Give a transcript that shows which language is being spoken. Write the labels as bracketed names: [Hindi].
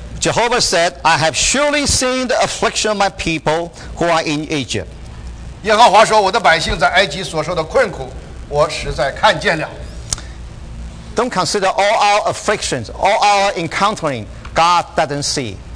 [English] Jehovah said, I have surely seen the affliction of my people who are in Egypt. [Chinese] 耶和华说，我的百姓在埃及所受的困苦，我实在看见了。 [English] Don't consider all our afflictions, all our encountering, God doesn't see.